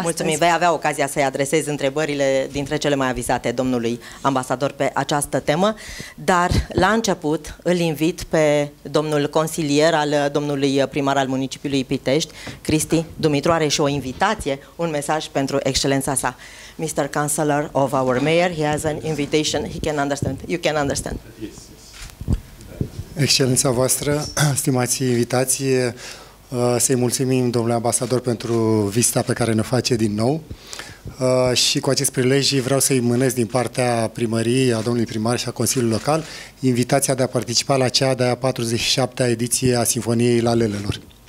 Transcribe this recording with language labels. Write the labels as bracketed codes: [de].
[ro] Mulțumim, vei avea ocazia să-i adresezi întrebările dintre cele mai avizate domnului ambasador pe această temă, dar la început îl invit pe domnul consilier al domnului primar al municipiului Pitești, Cristi Dumitru, are și o invitație, un mesaj pentru excelența sa. [en] Mr. Councillor of our mayor, he has an invitation, he can understand, you can understand. [ro] Excelența voastră, stimați invitație, să-i mulțumim, domnule ambasador, pentru vizita pe care ne face din nou și cu acest prilej vreau să-i mânez din partea primăriei, a domnului primar și a Consiliului Local invitația de a participa la cea de-a 47-a ediție a Sinfoniei Lalelelor.